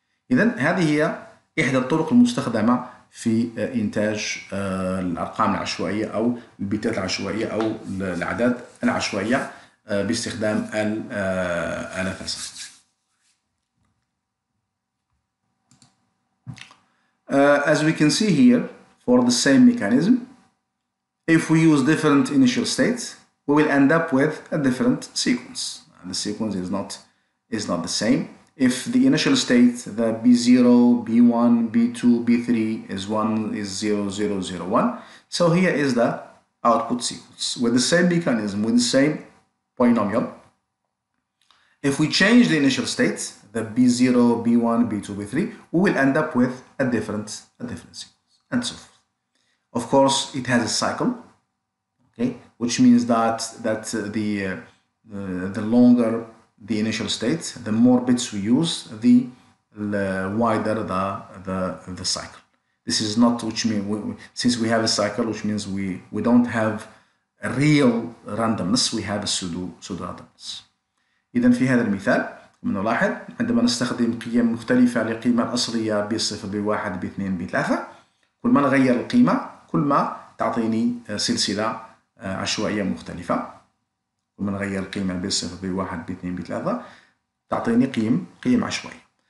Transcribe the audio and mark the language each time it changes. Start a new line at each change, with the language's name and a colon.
Arabic: إذن هذه هي إحدى الطرق المستخدمة في إنتاج الأرقام العشوائية أو البيتات العشوائية أو الأعداد العشوائية باستخدام الآلات الحاسبة.
English: As we can see here, for the same mechanism, if we use different initial states, we will end up with a different sequence. And the sequence is not the same. If the initial state, the B0, B1, B2, B3 is 1, is 0, 0, 0, 1. So here is the output sequence with the same mechanism, with the same polynomial. If we change the initial state, the B0, B1, B2, B3, we will end up with a different sequence, and so forth. Of course, it has a cycle, okay, which means that the longer the initial state, the more bits we use, the wider the cycle. This is not which mean since we have a cycle, which means we don't have a real randomness. We have a pseudo randomness.
Arabic: إذن في هذا المثال نلاحظ عندما نستخدم قيم مختلفة لقيمة الأصلية بصفر بواحد باثنين بثلاثة، كل ما نغير القيمة كل ما تعطيني سلسلة عشوائية مختلفة. لما نغير القيمة بصفر بواحد باثنين بثلاثة تعطيني قيم عشوائية.